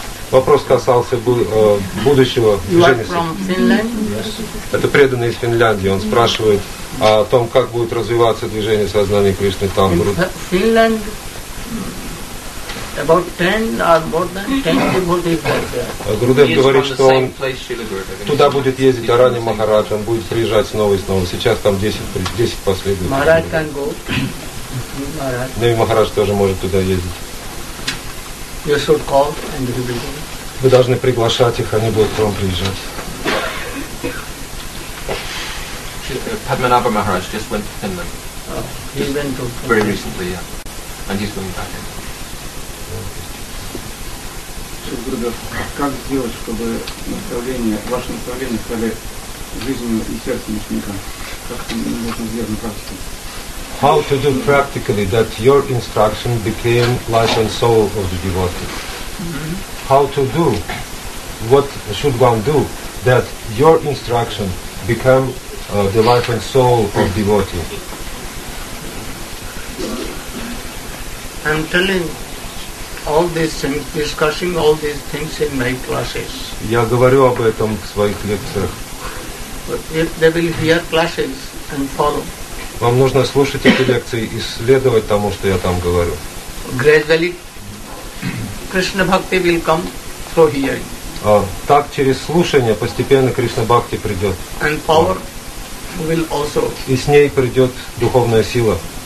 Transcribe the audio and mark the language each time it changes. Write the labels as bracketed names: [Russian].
[Russian] Вопрос касался будущего [English] Дженниса. From Finland? Yes. [Russian] Это преданный из Финляндии. Он спрашивает о том, как будет развиваться движение сознания Кришны там. [English] In Finland, about 10 or more than 10 devotees are there. [Russian] Гурудев говорит, что он туда будет ездить, Арани Махарадж, он будет приезжать снова и снова. Сейчас там 10 последователей. [English] Махарадж can go. [Russian] Деви Махарадж тоже может туда ездить. [English] You should call and he will go. [Russian] Вы должны приглашать их, они будут к вам приезжать. [English] Padmanabha Maharaj just went to Finland. He went to Finland. Very recently, yeah. And he's going back. [Russian] Как сделать, чтобы направление, ваше направление стали жизнью и сердцем ученика? Как это можно сделать на практике? [English] How to do practically that your instruction became life and soul of the devotee? How to do, what should one do, that your instruction become the life and soul of devotee? I'm telling all these things, discussing all these things in my classes. [Russian] Я говорю об этом в своих лекциях. [English] But if they will hear classes and follow. [Russian] Вам нужно слушать эти лекции и следовать тому, что я там говорю. [English] Gradually, Krishna Bhakti will come through hearing. [Russian] Так через слушание постепенно Кришна Бхакти придет. [English] And power will also. [Russian] И с ней придет духовная сила.